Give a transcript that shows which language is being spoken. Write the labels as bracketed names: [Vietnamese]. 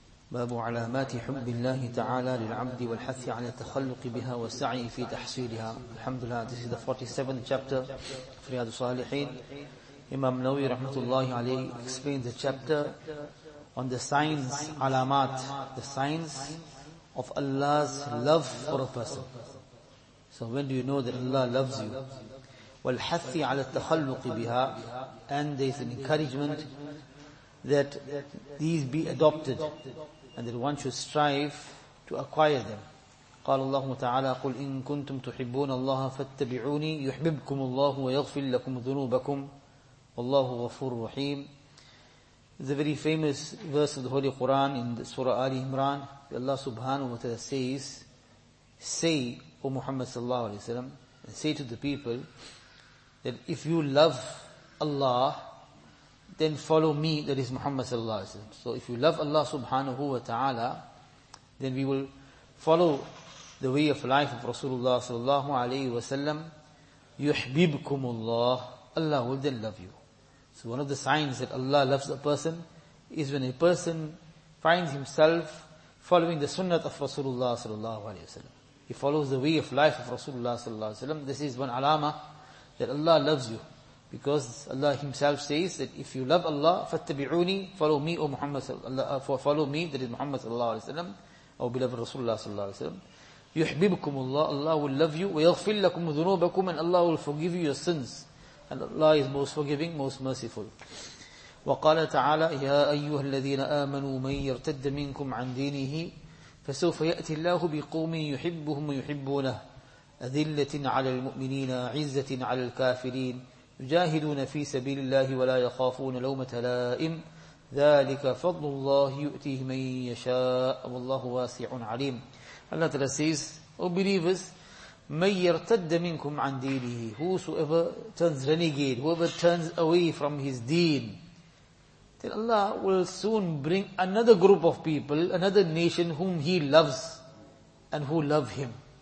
[Arabic] باب علامات حب الله تعالى للعبد والحث على التخلق بها والسعي في تحصيلها. الحمد لله. [English] This is the 47th chapter [Arabic] في رياض الصالحين. [English] Imam Nawawi [Arabic] رحمة الله عليه [English] explains the chapter on the signs, علامات, the signs of Allah's love for a person. So when do you know that Allah loves you? [Arabic] والحث على التخلق بها, [English] and there is an encouragement that these be adopted and that one should strive to acquire them. [Arabic] قال الله تعالى قل إن كنتم تحبون الله فاتبعوني يحببكم الله ويغفر لكم ذنوبكم والله غفور رحيم. [English] The very famous verse of the Holy Quran in the Surah Ali Imran, Allah subhanahu wa ta'ala says, say, O Muhammad sallallahu alayhi wa sallam, and say to the people that if you love Allah, then follow me, that is Muhammad sallallahu alayhi wa sallam. So if you love Allah subhanahu wa ta'ala, then we will follow the way of life of Rasulullah sallallahu alayhi wa sallam. [Arabic] Yuhbibkumullah. [English] Allah will then love you. So one of the signs that Allah loves a person is when a person finds himself following the sunnah of Rasulullah sallallahu alayhi wa sallam. He follows the way of life of Rasulullah sallallahu alayhi wa sallam. This is one alama that Allah loves you. Because Allah Himself says that if you love Allah, فَاتَّبِعُونِي follow me, O Muhammad sallallahu alayhi follow me, that is Muhammad sallallahu alayhi wa sallam, or beloved Rasulullah sallallahu alayhi wa sallam. [Arabic] يُحْبِبْكُمُ اللَّهُ [English] Allah will love you, [Arabic] وَيَغْفِرْ لَكُمُ ذُنُوبَكُمْ [English] and Allah will forgive you your sins. And Allah is most forgiving, most merciful. [Arabic] وَقَالَ تَعَالَى يَا أَيُّهَا الَّذِينَ آمَنُوا مَنْ يَرْتَدَّ مِنْكُمْ عَنْ دِينِهِ فَسَوْفَ يَأْتِي اللَّهُ بِقَوْمٍ يُحِبُّهُمْ وَيُحِبُّونَهُ أَذِلَّةٍ عَلَى الْمُؤْمِنِينَ عِزَّةٍ عَلَى الْكَافِرِينَ يجاهدون في سبيل الله ولا يخافون لومة لائم ذلك فضل الله يؤتيه من يشاء والله واسع عليم. [English] Allah Ta'ala says, O believers, [Arabic] من يرتد منكم عن دينه, [English] whosoever turns renegade, whoever turns away from his deen, then Allah will soon bring another group of people, another nation whom he loves and who love him.